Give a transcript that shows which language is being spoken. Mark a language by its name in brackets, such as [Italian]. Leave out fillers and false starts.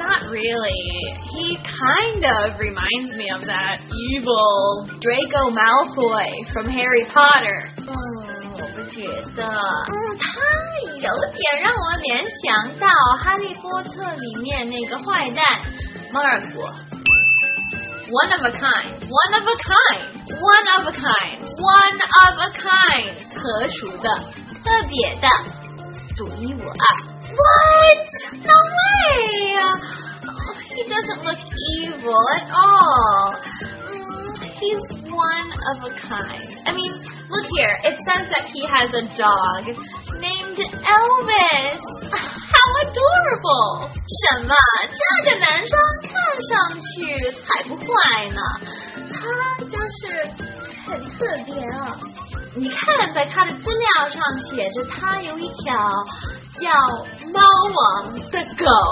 [English] Really, he kind of reminds me of that evil Draco Malfoy from Harry Potter. [Chinese] 我不觉得。他有点让我联想到《哈利波特》里面那个坏蛋，莫尔福。 [English] One of a kind, one of a kind, one of a kind, one of a kind. [Chinese] 特殊的，特别的，独一无二。 [English] What? No way! He doesn't look evil at all. He's one of a kind. I mean, look here. It says that he has a dog named Elvis. How adorable! [Chinese] 什么？这个男生看上去才不坏呢。他就是很特别啊。你看，在他的资料上写着他有一条叫猫王的狗。